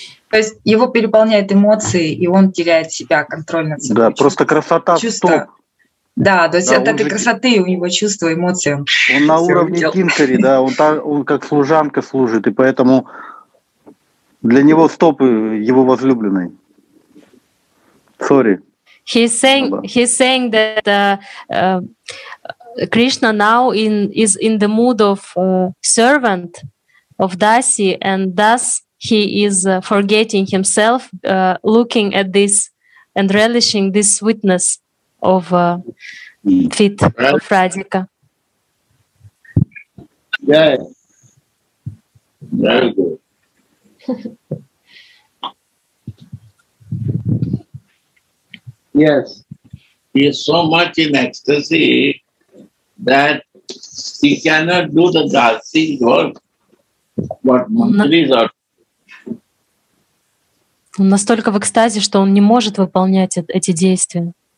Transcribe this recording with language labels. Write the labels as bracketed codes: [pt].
[ru] То есть его переполняют эмоции, и он теряет себя, контроль над собой. Да, просто красота стоп. Да, то есть от этой красоты у него чувства, эмоции. Он на уровне кинкари, да, он как служанка служит, и поэтому для него стопы его возлюбленной. [en] Sorry. He's saying that Krishna now is in the mood of servant of Dasi, and thus he is forgetting himself, looking at this and relishing this sweetness of feet of Radhika. Yeah. Very good. Yes. He is so much in ecstasy that he cannot do the dasi work what mantras are. [ru] Он настолько в экстазе, что он не может выполнять эти действия.